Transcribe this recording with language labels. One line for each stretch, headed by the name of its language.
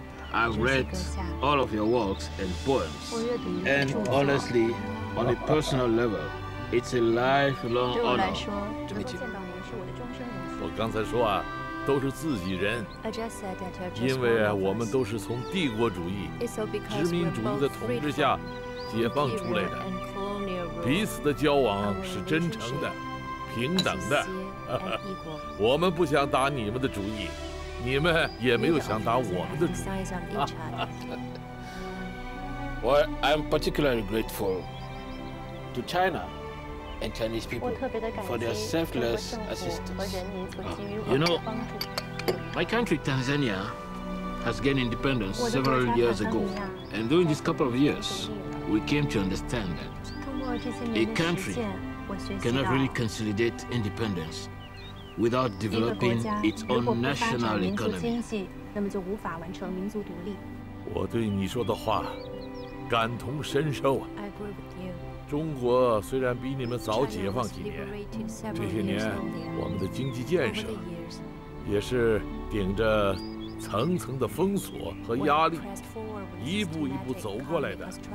English: I've read all of your works and poems, and honestly, on a personal level, it's a lifelong honor to meet you.
Chinese: 我刚才说啊，都是自己人，因为啊，我们都是从帝国主义、殖民主义的统治下解放出来的，彼此的交往是真诚的、平等的。我们不想打你们的主意。你们也没有想打我们的主意啊！
English: 我 I'm particularly grateful to China and Chinese people for their selfless assistance. You know, my country Tanzania has gained independence several years ago, and during this couple of years, we came to understand that a country cannot really consolidate independence. Without developing its own national economy,
Chinese: 那么就无法完成民族独立。我对你说的话感同身受啊！中国虽然比你们早解放几年，这些年我们的经济建设也是顶着层层的封锁和压力，一步一步走过来的。